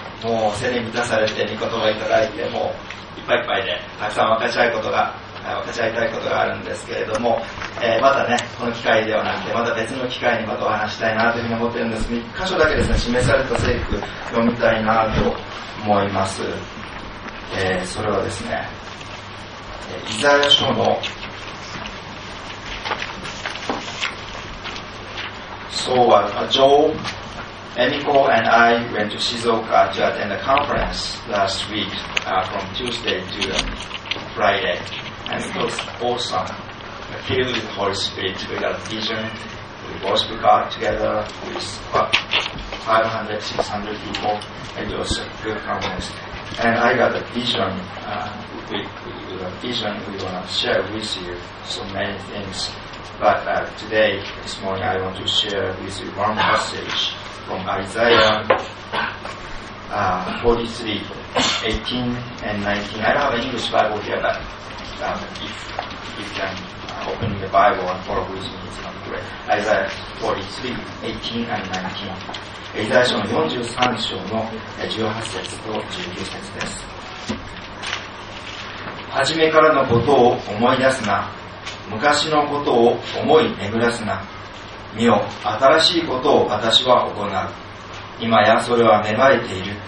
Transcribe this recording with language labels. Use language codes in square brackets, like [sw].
[ja] もう背に満たされて御言葉いただいて、もういっぱいいっぱいでたくさん分かち合いことが分かち合いたいことがあるんですけれども、またね、この機会ではなくてまた別の機会にまたお話したいなというふうに思っているんです。 1箇所だけですね、示された聖句読みたいなと思います。それはですね、イザヤ書の [en] So what a Joe Emiko and I went to Shizuoka to attend a conference last week、from Tuesday to FridayAnd it was awesome, filled with Holy Spirit. We got vision, we worship God together with 500, 600 people, and it was a good conference. And I got a vision, we want to share with you so many things. But today, this morning, I want to share with you one passage from Isaiah 43, 18 and 19. I don't have an English Bible here, butif you can open the Bible and follow with me, it's not great. Isaiah 43, 18 and 19. [ja] イザヤ書の43章の18節と19節です。はじめからのことを思い出すな。昔のことを思い巡らすな。見よ、新しいことを私は行う。今やそれは芽生えている。